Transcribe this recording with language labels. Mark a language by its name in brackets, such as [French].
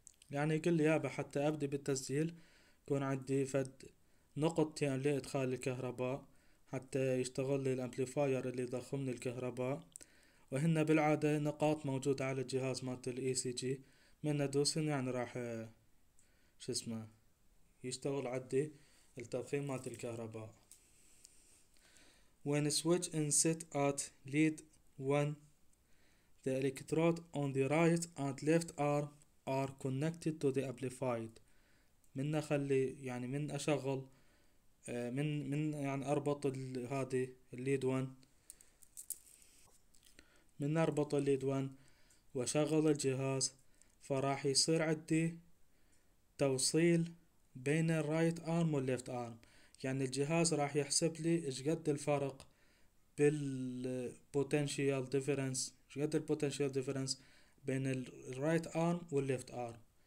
[Arabic] يعني يقول لي يابا حتى ابدي بالتسجيل يكون عندي فد نقطتين لإدخال الكهرباء حتى يشتغل لي الامبليفاير اللي يضخمني الكهرباء، وهن بالعادة نقاط موجودة على الجهاز مالت الاي سي جي، من ادوسن يعني راح شو اسمه يشتغل عندي التضخيم مالت الكهرباء. [English] When switch and set at lead 1 the electrode on the right and left arm are connected to the amplifier. [Arabic] من اخلي يعني من اشغل من يعني اربط هذه الليد وان، من اربط الليد وان واشغل الجهاز، فراح يصير عندي توصيل بين الرايت ارم والليفت ارم، يعني الجهاز راح يحسب لي ايش قد الفرق بالبوتنشيال ديفرنس، ايش قد البوتنشيال ديفرنس بين الرايت ارم والليفت ارم.